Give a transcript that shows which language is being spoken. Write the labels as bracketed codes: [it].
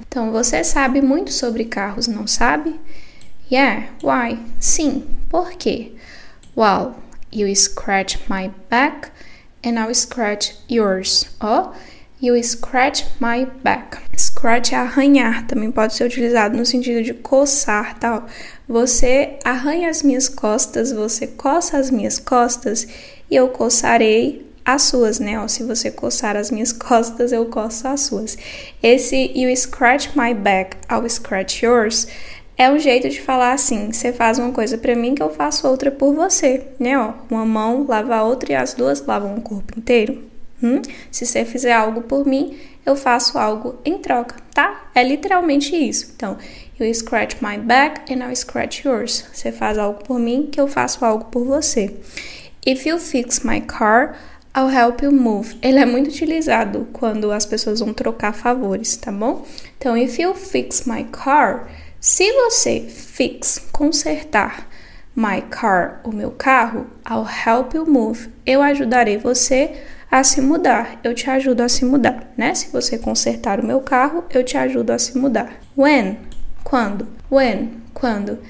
[pt] Então, você sabe muito sobre carros, não sabe? [en] Yeah, why? [pt] Sim, por quê? [en] Well, you scratch my back and I'll scratch yours. Oh, you scratch my back. [pt] Scratch é arranhar, também pode ser utilizado no sentido de coçar, tal. Você arranha as minhas costas, você coça as minhas costas e eu coçarei as suas, né? Ó, se você coçar as minhas costas, eu coço as suas. Esse [en] you scratch my back, I'll scratch yours [pt] é um jeito de falar assim: você faz uma coisa pra mim que eu faço outra por você, né? Ó, uma mão lava a outra e as duas lavam o corpo inteiro. Se você fizer algo por mim, eu faço algo em troca, tá? É literalmente isso. Então, [en] you scratch my back and I'll scratch yours. [pt] Você faz algo por mim que eu faço algo por você. [en] If you fix my car, I'll help you move. [pt] Ele é muito utilizado quando as pessoas vão trocar favores, tá bom? Então, [en] if you fix my car, [pt] se você fix, consertar my car, o meu carro, [en] I'll help you move. [pt] Eu ajudarei você a se mudar. Eu te ajudo a se mudar, né? Se você consertar o meu carro, eu te ajudo a se mudar. When? Quando? When? Quando?